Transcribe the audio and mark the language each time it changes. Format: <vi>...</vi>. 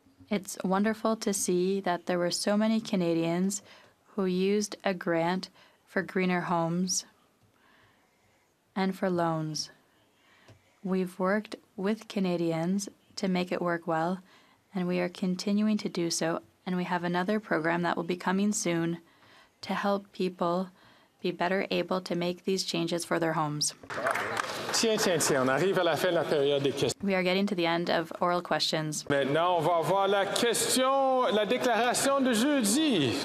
<en>It's wonderful to see that there were so many Canadians who used a grant for greener homes and for loans. We've worked with Canadians to make it work well, and we are continuing to do so. And we have another program that will be coming soon to help people be better able to make these changes for their homes.</en> <fr>Tiens, tiens, tiens. On arrive à la fin de la période des questions.</fr> <en>We are getting to the end of oral questions.</en> <fr>Maintenant, on va voir la question, la déclaration de jeudi.</fr>